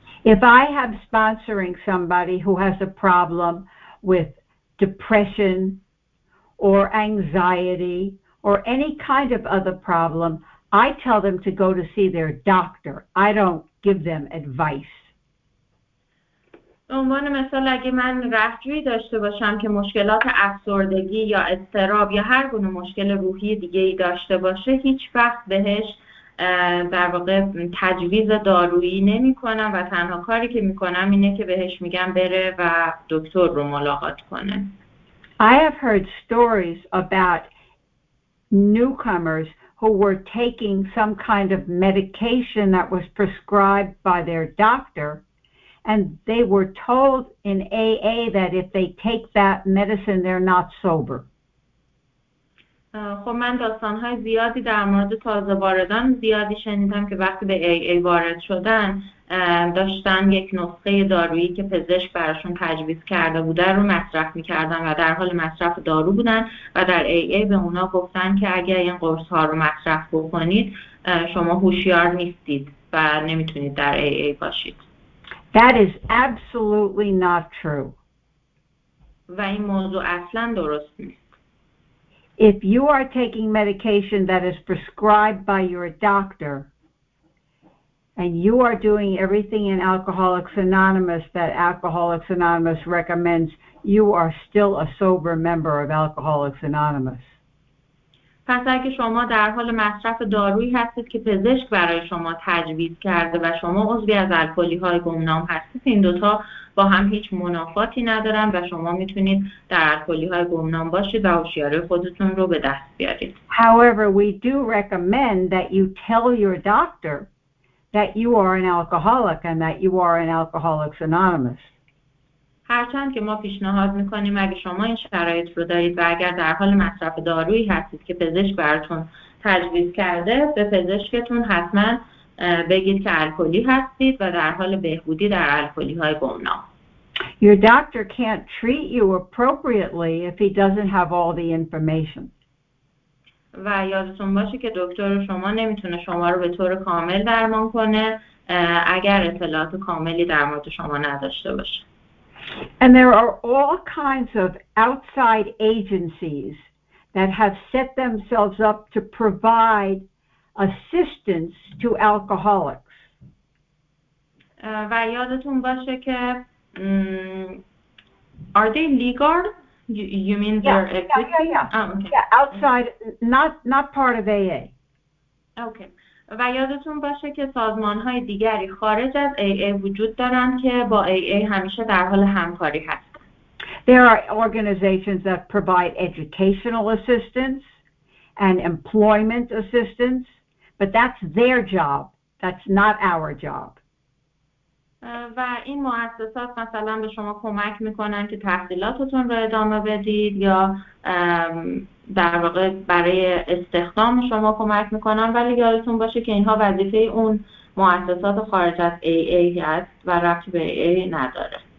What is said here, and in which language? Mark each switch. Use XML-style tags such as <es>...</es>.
<en>If I have sponsoring somebody who has a problem with depression or anxiety or any kind of other problem, I tell them to go to see their doctor. I don't give them advice.</en> <fa>عنوان مثال اگه من رفتجوی داشته باشم که مشکلات افسردگی یا اضطراب یا هر گونه مشکل روحی دیگه ای داشته باشه هیچ وقت بهش در واقع تجویز دارویی نمی کنم و تنها کاری که می کنم اینه که بهش میگم بره و دکتر رو ملاقات کنه.</fa> <en>I have heard stories about newcomers who were taking some kind of medication that was prescribed by their doctor, and they were told in AA that if they take that medicine, they're not sober.</en> <fa>خب من داستان‌های زیادی در مورد تازه واردان زیادی شنیدم که وقتی به AA وارد شدن داشتن یک نسخه دارویی که پزشک براشون تجویز کرده بوده رو مصرف می‌کردن و در حال مصرف دارو بودن و در AA به اونا گفتن که اگر این قرص‌ها رو مصرف بکنید شما هوشیار نیستید و نمیتونید در AA باشید.</fa> <en>That is absolutely not true.</en> <fa>و این موضوع اصلاً درست نیست.</fa> <en>If you are taking medication that is prescribed by your doctor and you are doing everything in Alcoholics Anonymous that Alcoholics Anonymous recommends, you are still a sober member of Alcoholics Anonymous.</en> <fa>پس اگه شما در حال مصرف دارویی هستید که پزشک برای شما تجویز کرده و شما عضوی از الکلی های گمنام هستید، این دوتا با هم هیچ منافاتی ندارن و شما میتونید در الکلی های گمنام باشید و هوشیاری خودتون رو به دست بیارید.</fa> <en>However, we do recommend that you tell your doctor that you are an alcoholic and that you are an Alcoholics Anonymous.</en> <fa>هرچند که ما پیشنهاد میکنیم اگه شما این شرایط رو دارید و اگر در حال مصرف دارویی هستید که پزشک براتون تجویز کرده به پزشکتون حتما بگید که الکلی هستید و در حال بهبودی در الکلی های گمنام.</fa> <en>Your doctor can't treat you appropriately if he doesn't have all the information.</en> <fa>و یادتون باشه که دکتر شما نمیتونه شما رو به طور کامل درمان کنه اگر اطلاعات کاملی در مورد شما نداشته باشه.</fa> <en>And there are all kinds of outside agencies that have set themselves up to provide assistance to alcoholics.</en> <fa>و یادتون باشه که</fa> <en>are they legal? You mean they're existing? Yeah, outside, not part of AA. Okay.</en> <fa>و یادتون باشه که سازمان‌های دیگری خارج از AA وجود دارن که با AA همیشه در حال همکاری هستن.</fa> <en>There are organizations that provide educational assistance and employment assistance, but that's their job. That's not our job.</en> <fa>و این مؤسسات مثلا به شما کمک میکنن که تحصیلاتتون رو ادامه بدید یا در واقع برای استخدام شما کمک میکنن، ولی یادتون باشه که اینها وظیفه اون مؤسسات خارج از AA هست و ربطی به AA نداره.</fa>